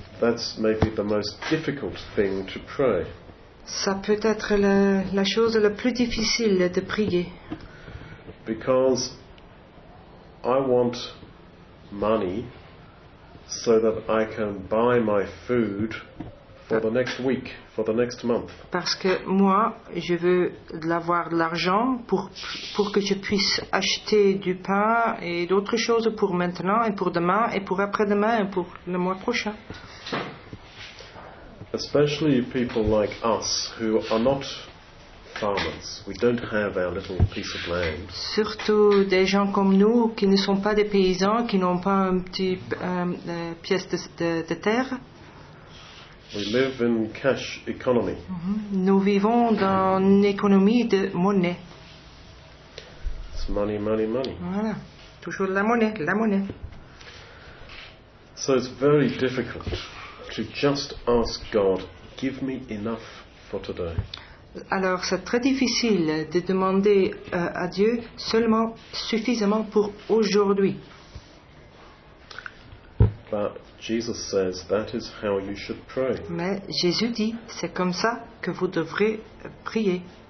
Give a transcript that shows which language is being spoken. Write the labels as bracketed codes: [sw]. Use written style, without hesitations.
[en] That's maybe the most difficult thing to pray. [fr] Ça peut être la chose la plus difficile de prier. [en] Because I want money so that I can buy my food for the next week, for the next month. [fr] Parce que moi, je veux avoir de l'argent pour que je puisse acheter du pain et d'autres choses pour maintenant et pour demain et pour après-demain et pour le mois prochain. [en] Especially people like us who are not farmers. We don't have our little piece of land. [fr] Surtout des gens comme nous qui ne sont pas des paysans, qui n'ont pas un petit pièce de terre. [en] We live in cash economy. [fr] Nous vivons dans une économie de monnaie. [en] It's money, money, money. [fr] Voilà. Toujours la monnaie, la monnaie. [en] So it's very difficult to just ask God, give me enough for today. [fr] Alors, c'est très difficile de demander à Dieu seulement suffisamment pour aujourd'hui. [en] But Jesus says that is how you should pray. [fr] Mais Jésus dit, c'est comme ça que vous devrez prier.